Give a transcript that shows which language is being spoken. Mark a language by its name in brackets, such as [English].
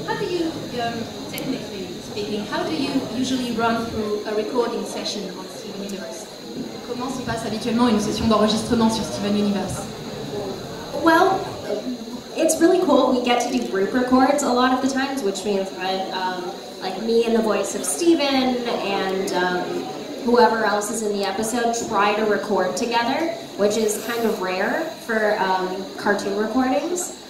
[English] How do you, technically speaking, usually run through a recording session on Steven Universe? [French] Comment se passe habituellement une session d'enregistrement sur Steven Universe? [English] Well, it's really cool. We get to do group records a lot of the times, which means that, like, me and the voice of Steven and whoever else is in the episode try to record together, which is kind of rare for cartoon recordings.